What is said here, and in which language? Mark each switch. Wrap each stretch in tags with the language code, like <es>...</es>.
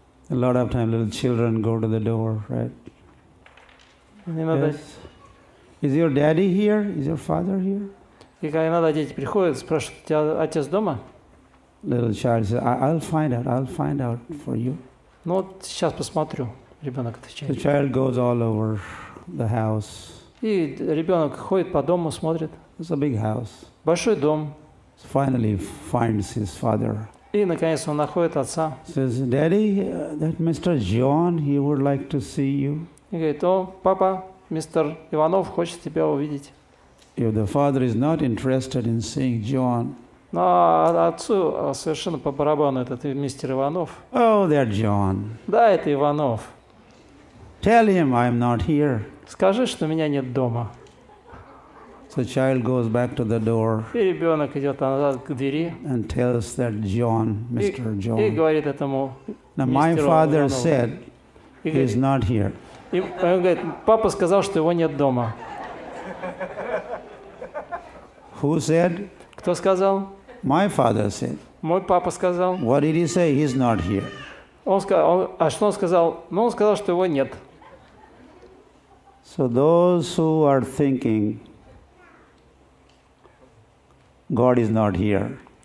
<en>A lot of time little children go to the door, right? Yes. Is your daddy here? Is your father here?</en> <ru>И когда дети приходят, спрашивают, у тебя отец дома?</ru> <en>Little child says, I'll find out for you.</en> <ru>Ну вот сейчас посмотрю, ребенок отвечает.</ru> <en>The child goes all over the house.</en> <ru>И ребенок ходит по дому, смотрит.</ru> <en>It's a big house.</en> <ru>Большой дом.</ru> <en>Finally finds his father.</en> <ru>И наконец он находит отца.</ru> <en>Says, Daddy, that Mr. John, he would like to see you.</en> <ru>И говорит, о, папа. Мистер Иванов хочет тебя увидеть.</ru> <en>If the father is not interested in seeing John.</en> <ru>Но отцу совершенно по барабану этот мистер Иванов.</ru> <en>Oh, that John.</en> <ru>Да, это Иванов.</ru> <en>Tell him I'm not here.</en> <ru>Скажи, что меня нет дома.</ru> <en>The child goes back to the door.</en> <ru>И ребенок идет назад к двери.</ru> <en>And tells that John, Mr. John.</en> <ru>И говорит этому.</ru> <en>Now my father said he's not here.</en> <ru>И он говорит, папа сказал, что его нет дома.</ru> <en>Who said?</en> <ru>Кто сказал?</ru> <en>My father said.</en> <ru>Мой папа сказал.</ru> <en>What did he say? He's not here.</en> <ru>Он сказал, а что он сказал? Ну, он сказал, что его нет.</ru> <en>So those who are thinking God is not here.</en>